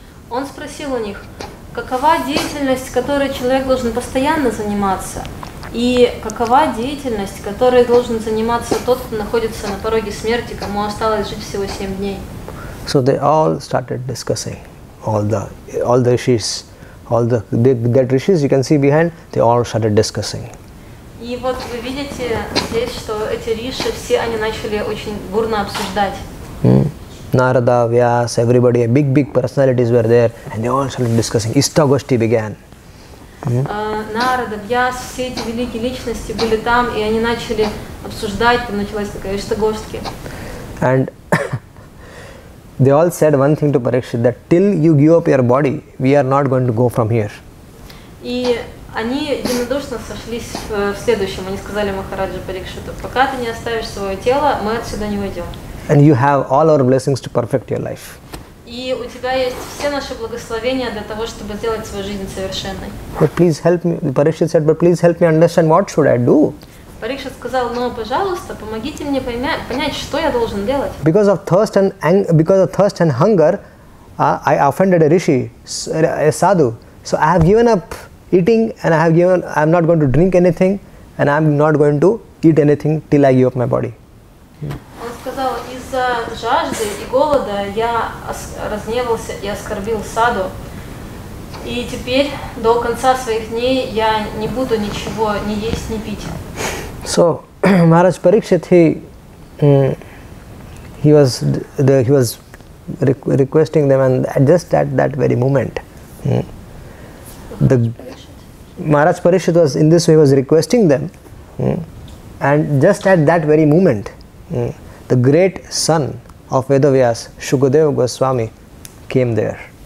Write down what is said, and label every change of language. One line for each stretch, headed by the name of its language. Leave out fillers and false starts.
Russian: Он спросил у них, какова деятельность, которой человек должен постоянно заниматься, и какова деятельность, которой должен заниматься тот, кто находится на пороге смерти, кому осталось жить всего 7 дней.
English: So they all started discussing all the issues. All the rishis you can see behind, they all started discussing.
Russian: И вот вы видите здесь, что эти риши все они начали очень бурно обсуждать.
English: Narada, Vyas, everybody, big personalities were there, and they all started discussing. Istogoshti began.
Russian: Narada, Vyas, все эти великие личности были там, и они начали обсуждать. Там началась такая истогоштки.
English: And they all said one thing to Parikshit, that till you give up your body, we are not going to go from here.
Russian: И они единодушно сошлись в следующем. Они сказали Махараджу Парикшиту, пока ты не оставишь свое тело, мы отсюда не уйдем.
English: And you have all our blessings to perfect your life.
Russian: И у тебя есть все наши благословения для того, чтобы сделать свою жизнь совершенной.
English: But please help me, Parikshit said, but please help me understand what should I do.
Russian: Парикшит сказал, но, пожалуйста, помогите мне понять, что я должен делать.
English: Because of thirst and hunger, I offended a rishi, a sadhu. So I have given up eating and I am not going to drink anything and I am not going to eat anything till I give up my body.
Russian: Он сказал, из-за жажды и голода я разгневался и оскорбил саду. И теперь до конца своих дней я не буду ничего ни есть, ни пить.
English: So Maharaj Parikshit, he was requesting them, and just at that very moment, Maharaj Parikshit was in this way, he was requesting them, and just at that very moment, the great son of Vedavyas, Shukadeva Goswami, came there.